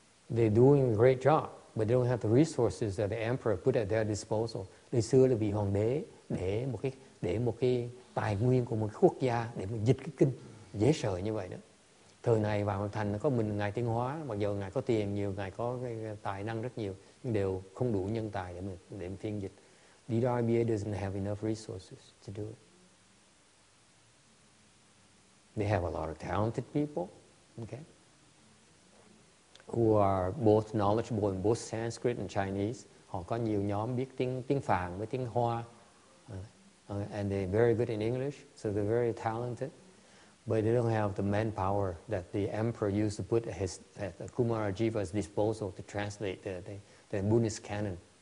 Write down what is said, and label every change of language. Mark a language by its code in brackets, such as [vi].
[en] they're doing a great job, but they don't have the resources that the emperor put at their disposal. [vi] Ngày xưa là vị hoàng đế để một cái tài nguyên của một quốc gia để mà dịch cái kinh dễ sợ như vậy đó. Thời này vào một thành có mình ngài tiến hóa, mặc dù ngài có tiền nhiều, ngài có tài năng rất nhiều, nhưng đều không đủ nhân tài để mà phiên dịch. [en] The RBA doesn't have enough resources to do it. They have a lot of talented people, okay, who are both knowledgeable in both Sanskrit and Chinese. [vi] Họ có nhiều nhóm biết tiếng Phạn với tiếng Hoa, [en] and they're very good in English, so they're very talented. But they don't have the manpower that the emperor used to put at Kumarajiva's disposal to translate the Buddhist canon.